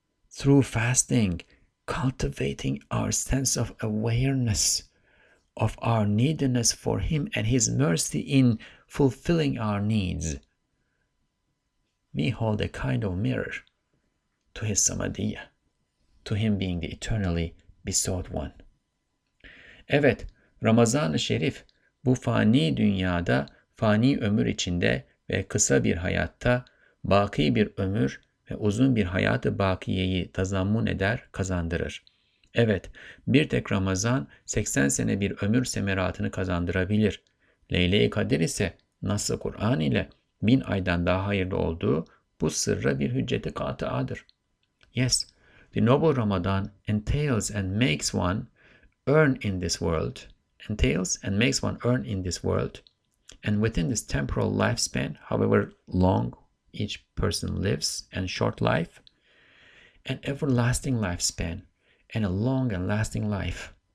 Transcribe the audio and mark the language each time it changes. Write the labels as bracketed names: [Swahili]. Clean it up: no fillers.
[English] through fasting, cultivating our sense of awareness of our neediness for Him and His mercy in fulfilling our needs, we hold a kind of mirror to His samadhiya, to Him being the eternally besought one. [Turkish] Evet, Ramazan-ı Şerif bu fani dünyada, fani ömür içinde ve kısa bir hayatta, baki bir ömür ve uzun bir hayatı bakiyeyi tazammun eder, kazandırır. Evet, bir tek Ramazan 80 sene bir ömür semeratını kazandırabilir. Leyle-i Kadir ise Nas-ı Kur'an ile 1000 aydan daha hayırlı olduğu bu sırra bir hücceti kat'adır. [English] Yes, the noble Ramadan entails and makes one earn in this world, entails and makes one earn in this world, and within this temporal lifespan, however long each person lives, and short life, an everlasting lifespan, and a long and lasting life.